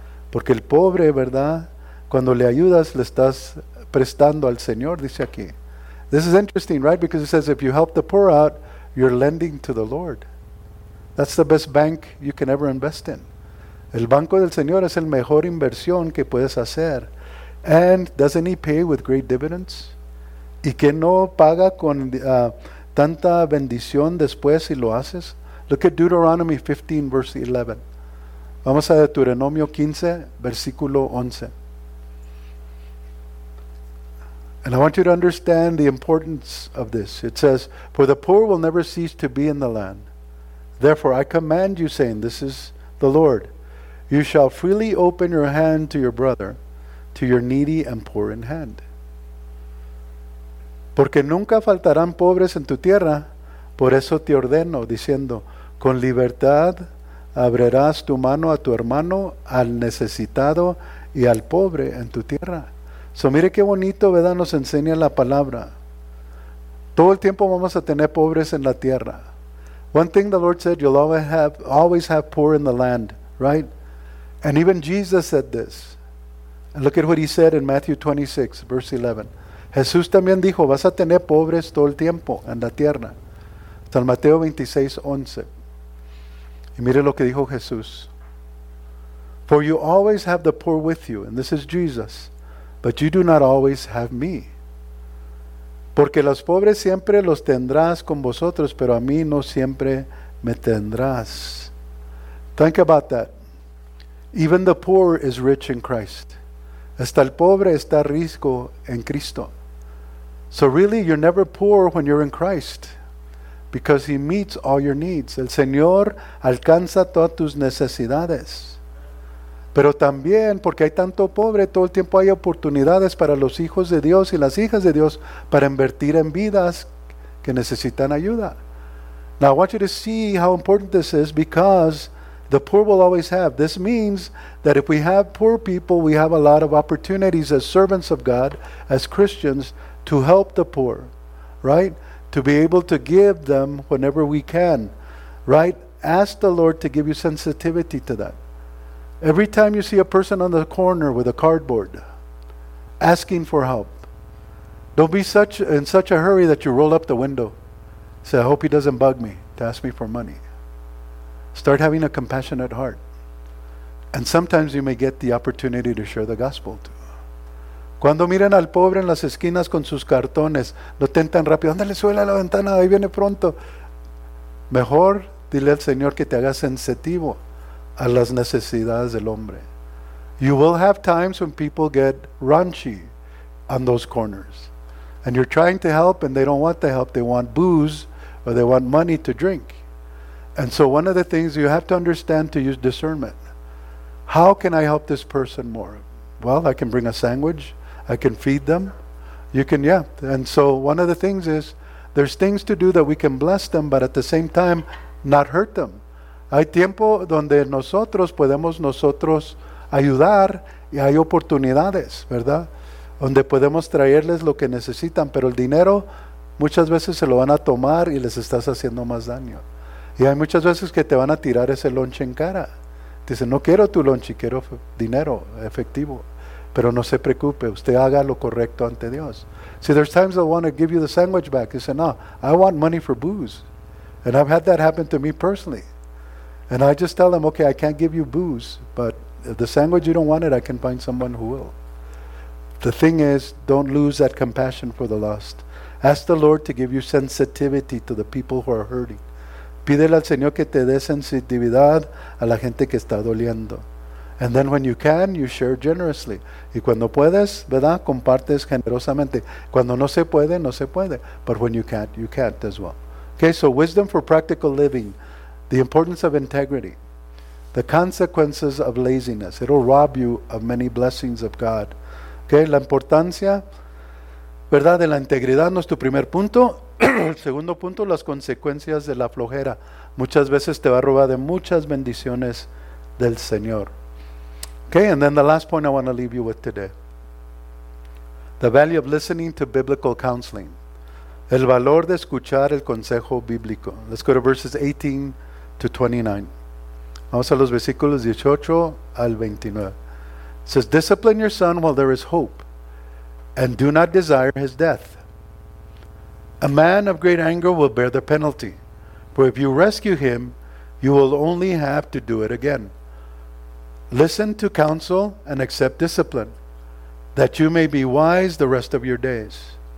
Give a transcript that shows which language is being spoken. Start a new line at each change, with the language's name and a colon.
Spanish: Porque el pobre, ¿verdad?, cuando le ayudas, le estás prestando al Señor, dice aquí.
English: This is interesting, right? Because it says, if you help the poor out, you're lending to the Lord. That's the best bank you can ever invest in.
Spanish: El banco del Señor es el mejor inversión que puedes hacer.
English: And doesn't he pay with great dividends?
Spanish: ¿Y que no paga con tanta bendición después si lo haces?
English: Look at Deuteronomy 15, verse 11.
Spanish: Vamos a Deuteronomio 15, versículo 11.
English: And I want you to understand the importance of this. It says, for the poor will never cease to be in the land. Therefore, I command you, saying, this is the Lord, you shall freely open your hand to your brother, to your needy and poor in hand.
Spanish: Porque nunca faltarán pobres en tu tierra, por eso te ordeno, diciendo, con libertad abrirás tu mano a tu hermano, al necesitado y al pobre en tu tierra. So mire qué bonito, ¿verdad?, nos enseña la palabra. Todo el tiempo vamos a tener pobres en la tierra.
English: One thing the Lord said, you'll always have poor in the land, right? And even Jesus said this. And look at what he said in Matthew 26, verse 11.
Spanish: Jesús también dijo, vas a tener pobres todo el tiempo en la tierra. San Mateo 26, 11. Y mire lo que dijo Jesús.
English: For you always have the poor with you. And this is Jesus. But you do not always have me.
Spanish: Porque los pobres siempre los tendrás con vosotros, pero a mí no siempre me tendrás.
English: Think about that. Even the poor is rich in Christ. Hasta el pobre está rico en Cristo. So really, you're never poor when you're in Christ, because he meets all your needs.
Spanish: El Señor alcanza todas tus necesidades. Pero también, porque hay tanto pobre, todo el tiempo hay oportunidades para los hijos de Dios y las hijas de Dios para invertir en vidas que necesitan ayuda.
English: Now I want you to see how important this is, because the poor will always have. This means that if we have poor people, we have a lot of opportunities as servants of God, as Christians, to help the poor, right? To be able to give them whenever we can, right? Ask the Lord to give you sensitivity to that. Every time you see a person on the corner with a cardboard asking for help, don't be in such a hurry that you roll up the window. Say, I hope he doesn't bug me to ask me for money. Start having a compassionate heart. And sometimes you may get the opportunity to share the gospel too.
Spanish: Cuando miren al pobre en las esquinas con sus cartones, lo tentan rápido, ándale, suela la ventana, ahí viene pronto. Mejor dile al Señor que te haga sensitivo a las necesidades del hombre.
English: You will have times when people get raunchy on those corners. And you're trying to help and they don't want the help. They want booze or they want money to drink. And so one of the things you have to understand to use discernment, how can I help this person more? Well, I can bring a sandwich. I can feed them. You can, yeah. And so one of the things is, there's things to do that we can bless them, but at the same time, not hurt them.
Spanish: Hay tiempo donde nosotros podemos nosotros ayudar, y hay oportunidades, ¿verdad? Donde podemos traerles lo que necesitan, pero el dinero muchas veces se lo van a tomar y les estás haciendo más daño. Y hay muchas veces que te van a tirar ese lonche en cara. Dicen, no quiero tu lonche, quiero dinero, efectivo. Pero no se preocupe, usted haga lo correcto ante Dios.
English: See, there's times I want to give you the sandwich back. You say, no, I want money for booze. And I've had that happen to me personally. And I just tell them, okay, I can't give you booze, but if the sandwich, you don't want it, I can find someone who will. The thing is, don't lose that compassion for the lost. Ask the Lord to give you sensitivity to the people who are hurting.
Spanish: Pídele al Señor que te dé sensitividad a la gente que está doliendo.
English: And then when you can, you share generously.
Spanish: Y cuando puedes, ¿verdad? Compartes generosamente. Cuando no se puede, no se puede.
English: But when you can't as well. Okay, so wisdom for practical living. The importance of integrity. The consequences of laziness. It'll rob you of many blessings of God.
Spanish: Okay, la importancia, ¿verdad? De la integridad no es tu primer punto. El segundo punto, las consecuencias de la flojera. Muchas veces te va a robar de muchas bendiciones del Señor.
English: Okay, and then the last point I want to leave you with today. The value of listening to biblical counseling.
Spanish: El valor de escuchar el consejo bíblico.
English: Let's go to verses 18 to 29.
Spanish: Vamos a los versículos 18 al 29.
English: It says, discipline your son while there is hope, and do not desire his death. A man of great anger will bear the penalty, for if you rescue him, you will only have to do it again. Listen to counsel and accept discipline, that you may be wise the rest of your days.